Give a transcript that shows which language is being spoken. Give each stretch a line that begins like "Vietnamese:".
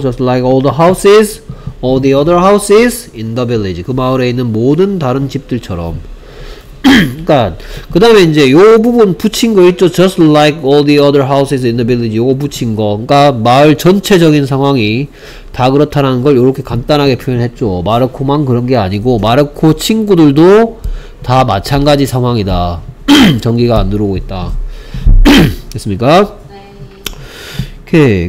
English: Just like all the houses, all the other houses in the village.
Korean: 그 마을에 있는 모든 다른 집들처럼. 그러니까 그 다음에 이제 요 부분 붙인 거 있죠.
English: Just like all the other houses in the village.
Korean: 요거 붙인 거. 그러니까 마을 전체적인 상황이 다 그렇다는 걸 요렇게 간단하게 표현했죠. 마르코만 그런 게 아니고 마르코 친구들도 다 마찬가지 상황이다. 전기가 안 들어오고 있다. 됐습니까? 오케이.